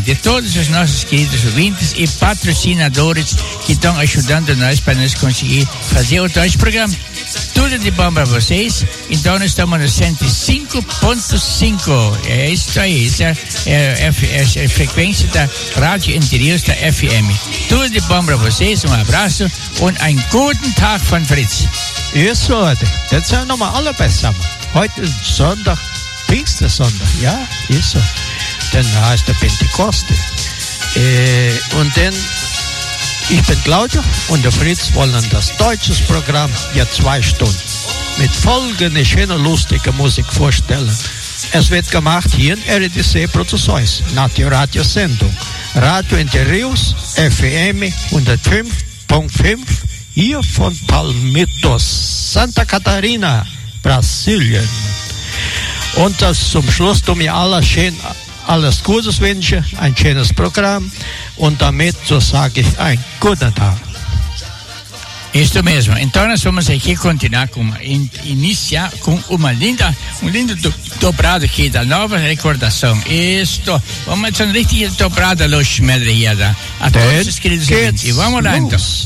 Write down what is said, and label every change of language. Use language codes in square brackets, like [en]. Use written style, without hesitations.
[pt] De todos os nossos queridos ouvintes e patrocinadores que estão ajudando nós para nós conseguir fazer o nosso programa. Tudo de bom para vocês. Então nós estamos no 105.5. É isso aí. Essa é a frequência da Rádio Entre Rios, da FM. Tudo de bom para vocês. Um abraço [de] und einen guten Tag von Fritz. Isso, jetzt haben wir alle besser. Heute ist Sonntag, Pfingstsonntag, ja, isso. Dann heißt der Pentecoste. Und dann, ich bin Claudio und der Fritz wollen das deutsche Programm jetzt 2 Stunden mit folgende schöne, lustige Musik vorstellen. Es wird gemacht hier in RDC Produções, Naturradio Sendung, Radio Entre Rios, FM 105.5. Hier von Palmitos, Santa Catarina, Brasilien. Und das zum Schluss tun wir alle schön, alles Gutes wünschen, ein schönes Programm. Und damit so sage ich einen guten Tag. [pt] Isso mesmo. Então nós vamos aqui continuar com uma, iniciar com uma linda, um lindo dobrado aqui da nova recordação. Isto. Vamos adicionar este dobrado luz medriada a todos os queridos ouvintes. Vamos lá então.